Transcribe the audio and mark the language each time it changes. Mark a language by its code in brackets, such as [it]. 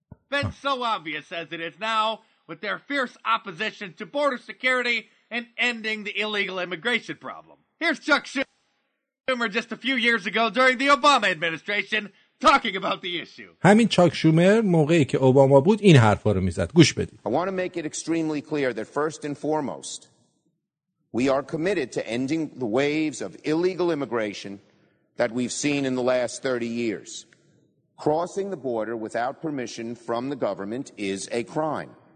[en] Been so obvious as it is now with their fierce opposition to border security and ending the illegal immigration problem. Here's Chuck Schumer just a few years ago during the Obama administration talking about the issue. [fa] همین چاک شومر موقعی که اوباما بود این حرفا رو میزد. گوش بدید. [en] I want to make it extremely clear that first and foremost we are committed to ending the waves of illegal immigration that we've seen in the last 30 years. Crossing the border without permission from the government is a crime.